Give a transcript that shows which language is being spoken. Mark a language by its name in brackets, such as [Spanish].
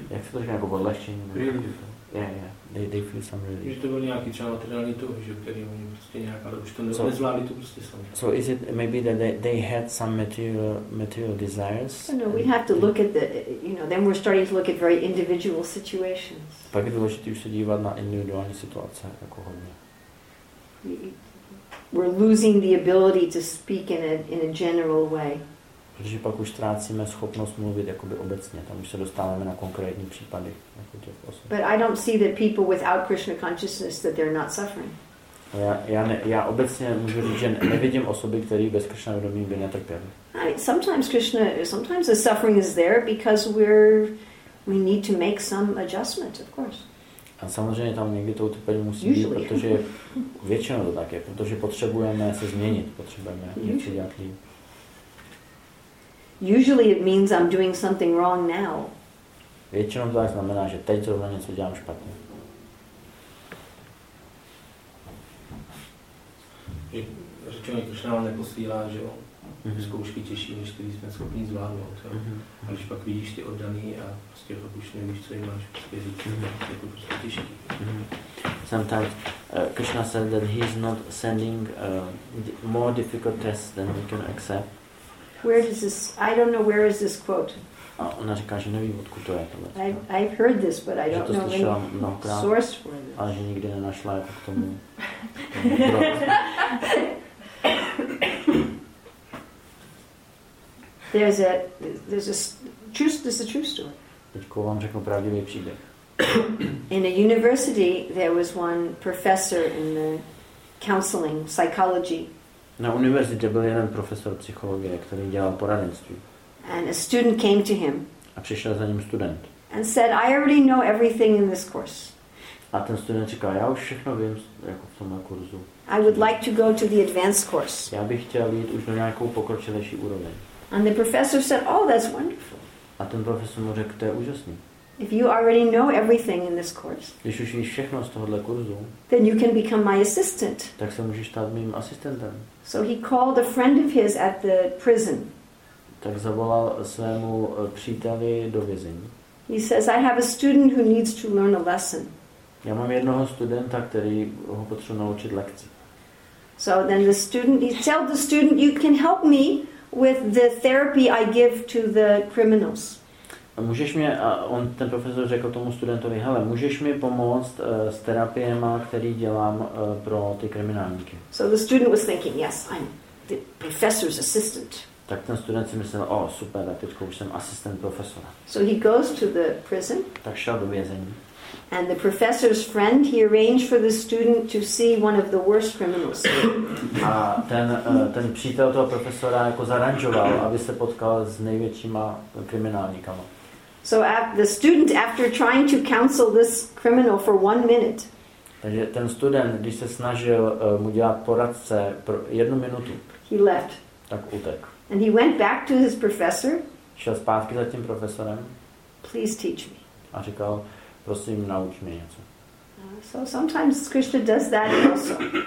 [Czech] Jak se to říká, jako odlehčení. [English] They feel some relief. [Czech] Že to byl nějaký třeba materiální to, že který oni prostě nějak, ale už to nezvládli, to prostě sami. [English] So is it maybe that they had some material desires? No, we have to look at the, you know, then we're starting to look at very individual situations. [Czech] Pak je důležitý už se dívat na individuální situace, jako hodně. [English] We're losing the ability to speak in a general way. [Czech] Protože pak už ztrácíme schopnost mluvit jakoby obecně, tam už se dostáváme na konkrétní případy jako těch osob. [English] But I don't see that people without Krishna consciousness that they're not suffering. [Czech] Já obecně můžu říct, že nevidím osoby, které bez Krishna vědomí by netrpěly. [English] Sometimes the suffering is there because we need to make some adjustment, of course. [Czech] A samozřejmě tam někdy to utrpení musí být, protože většinou to tak je, protože potřebujeme se změnit, potřebujeme něco dělat líp. [English] Usually it means I'm doing something wrong now. [Czech] Většinou to znamená, že teď zrovna něco dělám špatně. Řečeno, když nám neposílá, že jo, zkoušky těžší, než které jsme schopni zvládnout. Jo? A když pak vidíš ty oddaný a prostě to už nevíš, co jim máš prostě říct, tak je to prostě těžší. [English] Sometimes Krishna said that he is not sending more difficult tests than we can accept. Where does this? I don't know where is this quote. [Czech] Ona říká, že neví, odkud to je. [English] I've heard this, but I don't know any source for this. [Czech] Ale že nikdy nenašla jako k tomu. [English] There's a true story. [Czech] Teďko vám řeknu pravdivý příběh. [English] In a university, there was one professor in the counseling psychology. [Czech] Na univerzitě byl jeden profesor psychologie, který dělal poradenství. [English] And a student came to him. [Czech] A přišel za ním student. [English] And said, I already know everything in this course. [Czech] A ten student říká, já už všechno vím jako v tomhle kurzu. [English] I would like to go to the advanced course. [Czech] Já bych chtěl jít už na nějakou pokročilejší úroveň. [English] And the professor said, oh, that's wonderful. [Czech] A ten profesor mu řekl, to je úžasný. [English] If you already know everything in this course, [Czech] když už víš všechno z tohohle kurzu, [English] then you can become my assistant. [Czech] Tak se můžeš stát mým asistentem. [English] So he called a friend of his at the prison. [Czech] Tak zavolal svému příteli do vězení. [English] He says, I have a student who needs to learn a lesson. [Czech] Já mám jednoho studenta, který ho potřebuje naučit lekci. [English] So then the student, he tells the student, you can help me with the therapy I give to the criminals. [Czech] Můžeš mě, a on, ten profesor řekl tomu studentovi, hele, můžeš mi pomoct s terapiema, který dělám pro ty kriminálníky. [English] So the student was thinking, yes, I'm the professor's assistant. [Czech] Tak ten student si myslel, oh, super, tak teďka už jsem asistent profesora. [English] So he goes to the prison. [Czech] Tak šel do vězení. [English] And the professor's friend, he arranged for the student to see one of the worst criminals. [Czech] A ten přítel toho profesora jako zaranžoval, aby se potkal s největšíma kriminálníkama. [English] So the student, after trying to counsel this criminal for 1 minute. [Czech] Takže ten student, když se snažil mu dělat poradce pro 1 minutu. [English] He left. [Czech] Tak utek. [English] And he went back to his professor. [Czech] Šel zpátky za tím profesorem. [English] Please teach me. [Czech] A říkal, prosím, nauč mě něco. [English] So sometimes Krishna does that also.